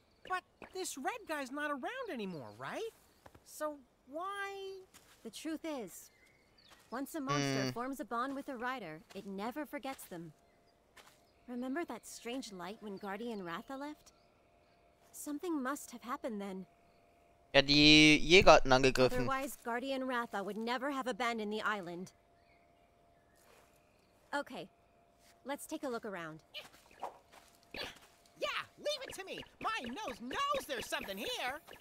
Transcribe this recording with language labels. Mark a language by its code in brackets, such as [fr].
[en] But this Red guy's not around anymore, right? So why? The truth is, once a monster forms a bond with a rider, it never forgets them. Remember that strange light when Guardian Ratha left? Something must have happened then. [de] Ja, die Jäger hatten angegriffen. [en] Otherwise, Guardian Ratha would never have abandoned the island. Okay. Let's take a look around. Yeah, leave it to me. My nose knows there's something here.